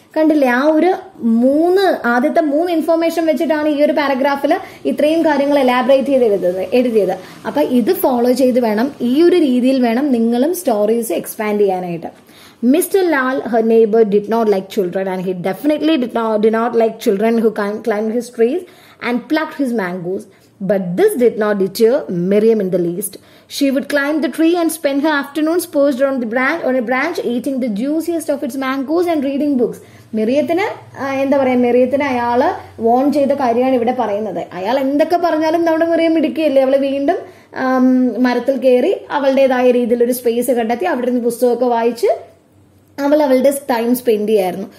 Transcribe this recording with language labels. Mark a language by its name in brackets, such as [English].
[Malayalam] കണ്ടില്ലേ, ആ ഒരു ആദ്യത്തെ മൂന്ന് ഇൻഫർമേഷൻ വെച്ചിട്ടാണ് ഈ ഒരു പാരഗ്രാഫിൽ ഇത്രയും കാര്യങ്ങൾ എലാബറേറ്റ് ചെയ്ത് എഴുതിയത്. അപ്പം ഇത് ഫോളോ ചെയ്ത് വേണം, ഈ ഒരു രീതിയിൽ വേണം നിങ്ങളും സ്റ്റോറീസ് എക്സ്പാൻഡ് ചെയ്യാനായിട്ട്. [English] Mister Lal, her neighbour, did not like children, and he definitely did not like children who climb his trees and plucked his mangoes. But this did not deter Miriam in the least. She would climb the tree and spend her afternoons perched on the branch, eating the juiciest of its mangoes and reading books. [Malayalam] മിറിയത്തിന് എന്താ പറയാ, മിറിയത്തിന് അയാള് von ചെയ്ത കാര്യമാണ് ഇവിടെ പറയുന്നത്. അയാൾ എന്തൊക്കെ പറഞ്ഞാലും നമ്മുടെ മിറിയം ഇടുക്കുകയല്ലേ. അവള് വീണ്ടും മരത്തിൽ കയറി അവളുടേതായ രീതിയിൽ ഒരു സ്പേസ് കണ്ടെത്തി അവിടെ നിന്ന് പുസ്തകമൊക്കെ വായിച്ച് അവൾ അവളുടെ ടൈം സ്പെൻഡ് ചെയ്യായിരുന്നു.